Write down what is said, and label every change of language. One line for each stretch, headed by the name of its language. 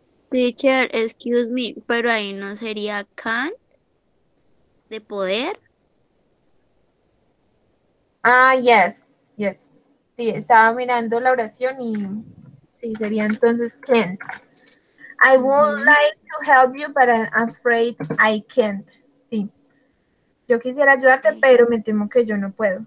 English: Teacher, excuse me,
Spanish: pero ahí no sería can't de poder.
English: Ah, yes.
Spanish: Sí, estaba mirando la oración y sí, sería entonces can't.
English: I would like to help you, but I'm afraid I can't.
Spanish: Sí. Yo quisiera ayudarte, pero me temo que yo no puedo.